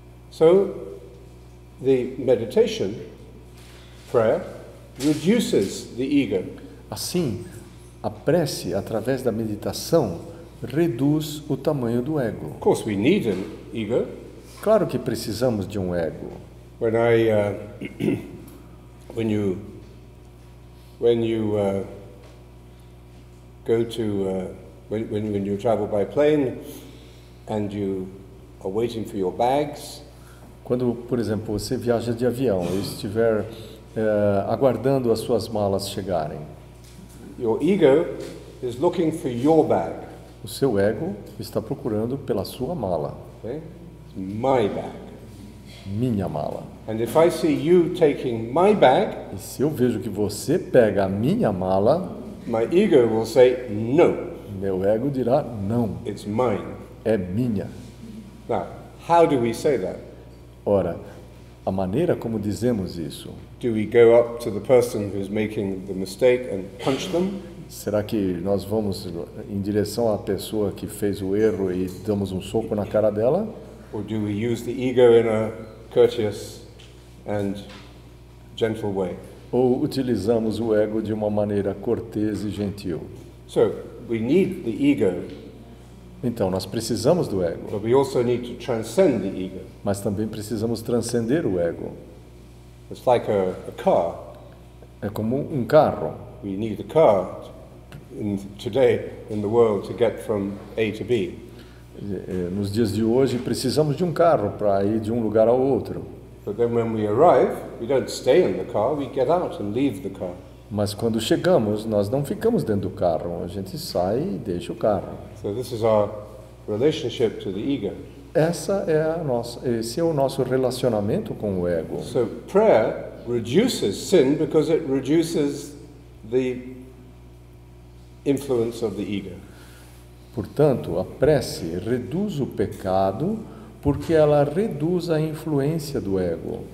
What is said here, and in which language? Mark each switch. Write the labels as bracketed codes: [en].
[en] So, the meditation, prayer, reduces the ego. [pt] Assim, a prece através da meditação reduz o tamanho do ego. [en] Of course, we need an ego. [pt] Claro que precisamos de um ego. [en] When I, when you travel by plane, and you are waiting for your bags. [pt] Quando, por exemplo, você viaja de avião e estiver aguardando as suas malas chegarem. [en] Your ego is looking for your bag. [pt] O seu ego está procurando pela sua mala. [en] Okay? My bag. [pt] Minha mala. [en] And if I see you taking my bag, [pt] e se eu vejo que você pega a minha mala, [en] my ego will say no. [pt] Meu ego dirá não. [en] It's mine. [pt] É minha. [en] Now, how do we say that? [pt] Ora, a maneira como dizemos isso. [en] Do we go up to the person who's making the mistake and punch them? [pt] Será que nós vamos em direção à pessoa que fez o erro e damos um soco na cara dela? [en] Or do we use the ego in a courteous and gentle way? [pt] Ou utilizamos o ego de uma maneira cortês e gentil? [en] So, we need the ego. [pt] Então, nós precisamos do ego. [en] But we also need to transcend the ego. [pt] Mas também precisamos transcender o ego. [en] It's like a car. [pt] É como um carro. [en] We need a car today in the world to get from A to B. [pt] Nos dias de hoje precisamos de um carro para ir de um lugar ao outro. [en] But then when we arrive, we don't stay in the car, we get out and leave the car. [pt] Mas quando chegamos, nós não ficamos dentro do carro, a gente sai e deixa o carro. [en] So this is our relationship to the ego. [pt] Esse é o nosso relacionamento com o ego. [en] So prayer reduces sin because it reduces the influence of the ego. [pt] Portanto, a prece reduz o pecado porque ela reduz a influência do ego.